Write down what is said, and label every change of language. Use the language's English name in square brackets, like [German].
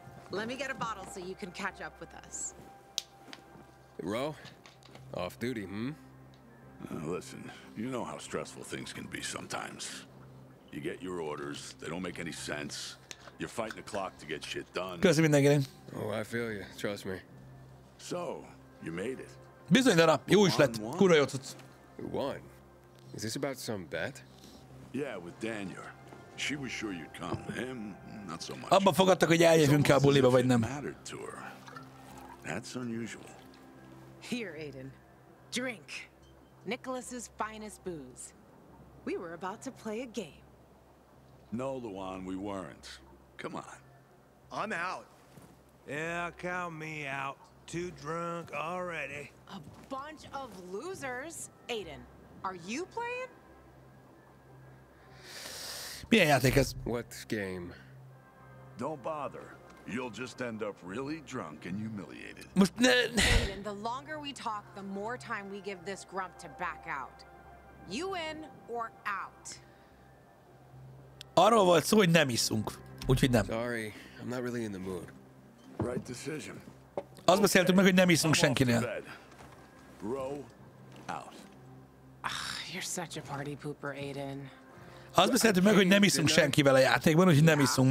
[English] Let me get a bottle so you can catch up with us. Ro, off duty, hmm? Listen, you know how stressful things can be sometimes. You get your orders, they don't make any sense. You're fighting the clock to get shit done. [Hungarian] Köszi mindenkinek. [English] Oh, I feel you, trust me. So, you made it. [Hungarian] Bizony, Dara, jó is lett, kurva jó tudsz. [English] Juan, is this about some bet? Yeah, with Daniel. She was sure you'd come, him, not so much. [Hungarian] Abba fogadtak, hogy eljövünk a buliba, vagy nem. [English] That's unusual. Here, Aiden. Drink. Nicholas's finest booze. We were about to play a game. No, Luan, we weren't. Come on. I'm out. Yeah, count me out. Too drunk already. A bunch of losers. Aiden, are you playing? [Hungarian] Milyen játék ez? [English] What game? Don't bother. You'll just end up really drunk and humiliated. [Hungarian] Most ne... [English] Aiden, the longer we talk, the more time we give this grump to back out. You in or out? [Hungarian] Arról volt szó, hogy nem iszunk. Úgyhogy nem. [English] Sorry, I'm not really in the mood. Right decision. [Hungarian] Azt beszéltük meg, hogy nem iszunk senkinél. [English] Bro, out. You're such a party pooper, Aiden. [Hungarian] Azt beszéltük meg, hogy nem iszunk senkivel a játékban, úgyhogy nem iszunk.